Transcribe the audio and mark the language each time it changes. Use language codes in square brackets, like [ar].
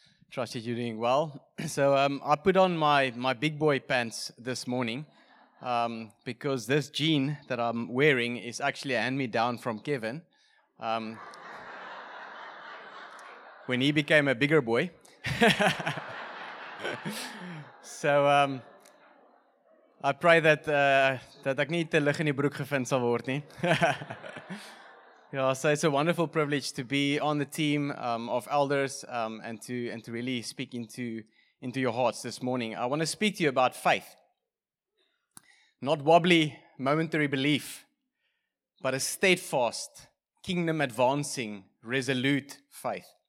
[en] Trust that you're doing well. So I put on my big boy pants this morning because this jean that I'm wearing is actually a hand-me-down from Kevin when he became a bigger boy. So I pray that [af] dat ek nie te lig in die broek gevind sal word nie. [en] Yeah, so it's a wonderful privilege to be on the team of elders and to really speak into your hearts this morning. I want to speak to you about faith. Not wobbly, momentary belief, but a steadfast, kingdom-advancing, resolute faith.